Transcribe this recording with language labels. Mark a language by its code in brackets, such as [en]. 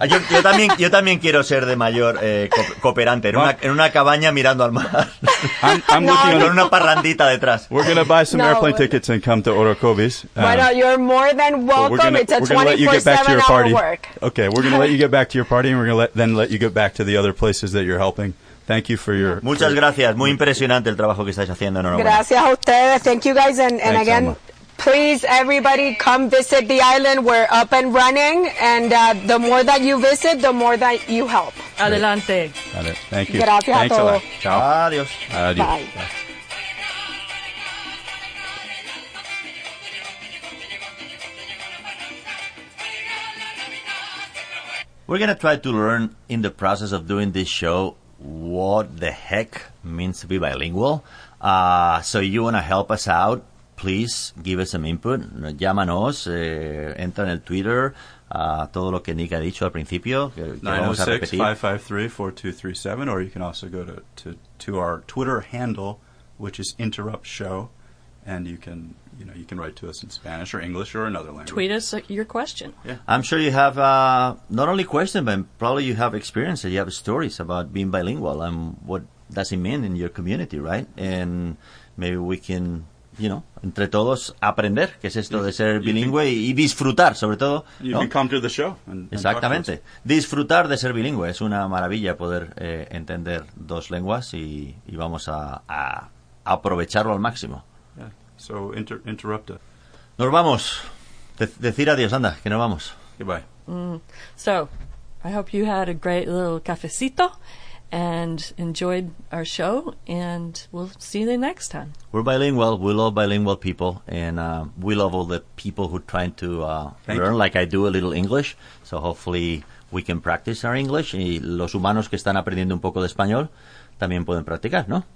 [es] Yo también quiero ser de mayor cooperante en una cabaña mirando al mar. [en] I'm looking [es] con una parrandita detrás. [en] We're going to buy some airplane tickets and come to Orocovis. [es] Bueno, [en] you're more than welcome. Gonna, it's a 24/7 hour party. Work. Okay, we're going to let you get back to your party, and we're going to let you get back to the other places that you're helping. Thank you for your... [es] Muchas gracias. Muy impresionante el trabajo que estáis haciendo. Enhorabuena. Gracias a ustedes. [en] Thank you, guys. And again... Alma. Please, everybody, come visit the island. We're up and running, and the more that you visit, the more that you help. [es] Adelante. [en] Thank you. [es] Gracias. [en] Thanks a lot. [es] Ciao. Adios. Adios. [en] Bye. Bye. We're going to try to learn in the process of doing this show what the heck means to be bilingual. So you want to help us out? Please give us some input, [es] llámanos, entra en el Twitter, todo lo que Nick ha dicho al principio. [en] 906-553-4237, or you can also go to our Twitter handle, which is Interrupt Show, and you can write to us in Spanish or English or another language. Tweet us your question. Yeah. I'm sure you have not only questions, but probably you have experiences, you have stories about being bilingual and what does it mean in your community, right? And maybe we can... You know, [es] entre todos, aprender, que es esto de ser bilingüe y disfrutar, sobre todo. [en] You can come to the show. [es] Exactamente. Disfrutar de ser bilingüe. Es una maravilla poder entender dos lenguas y vamos a aprovecharlo al máximo. [en] Yeah. So, interrupt us. [es] Nos vamos. Decir adiós, anda, que nos vamos. [en] Goodbye. So, I hope you had a great little cafecito and enjoyed our show, and we'll see you next time. We're bilingual. We love bilingual people, and we love all the people who are trying to learn, like I do, a little English. So hopefully we can practice our English. [es] Y los humanos que están aprendiendo un poco de español también pueden practicar, ¿no?